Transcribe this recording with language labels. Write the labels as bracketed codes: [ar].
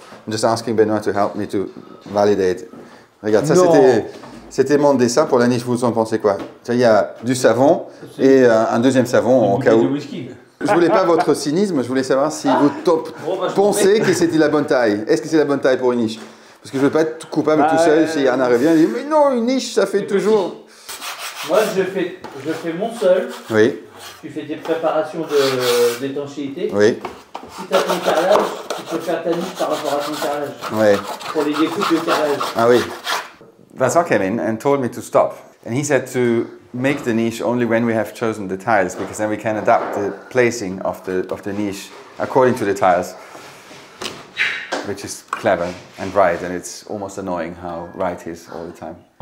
[en] I'm just asking Benoît to help me to validate. [fr] Regarde, ça c'était mon dessin pour la niche. Vous en pensez quoi? Il y a du savon et un deuxième savon en cas où. Je voulais pas votre cynisme. Je voulais savoir si vous pensez que c'était la bonne taille. Est-ce que c'est la bonne taille pour une niche? Parce que je veux pas être coupable tout seul si Anna revient. Et dit, mais non, une niche, ça fait toujours. Petit. Moi, je fais mon seul. Oui. Tu fais des préparations d'étanchéité. Oui. Si tu as ton carrelage, tu peux faire ta niche par rapport à ton carrelage. Oui. Pour les découpes de carrelage. Ah oui. [en] Vincent came in and told me to stop. And he said to make the niche only when we have chosen the tiles, because then we can adapt the placing of the niche according to the tiles. Which is clever and right, and it's almost annoying how right he is all the time.